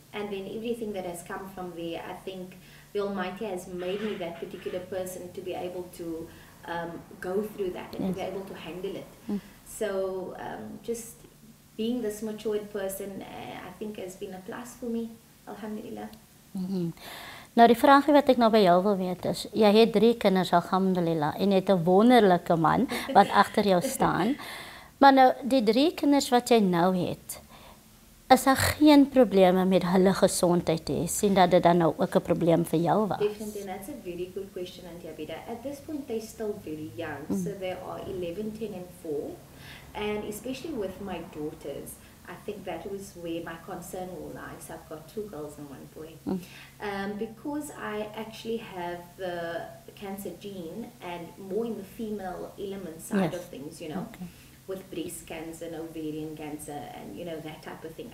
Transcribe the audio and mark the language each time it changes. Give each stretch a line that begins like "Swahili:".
English: And then everything that has come from there, I think the Almighty has made me that particular person to be able to go through that and to be able to handle it. So, just being this matured person, I think has been a plus for me, alhamdulillah.
Afrikaans: Nou die vraag wat ek nou by jou wil weet is, jy het 3 kinders, alhamdulillah, en jy het 'n wonderlike man wat agter jou staan. Maar nou, die 3 kinders wat jy nou het, is daar geen probleme met hulle gesondheid te sien dat dit dan nou ook 'n probleem vir jou was?
English: Definitely, and that's a very good question, Auntie Abida. At this point, they're still very young. So they are 11, 10 and 4. And especially with my daughters, I think that was where my concern all lies. So I've got 2 girls and 1 boy. Because I actually have the cancer gene and more in the female element side of things, you know, with breast cancer and ovarian cancer and, you know, that type of thing.